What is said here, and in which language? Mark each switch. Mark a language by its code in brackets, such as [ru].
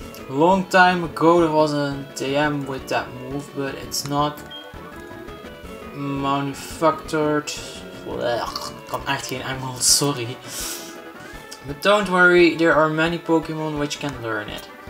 [en] Long time ago there was a DM with that move, but it's not manufactured. [nl] Blech, kan echt geen Engels, sorry. [en] But don't worry, there are many Pokémon which can learn it.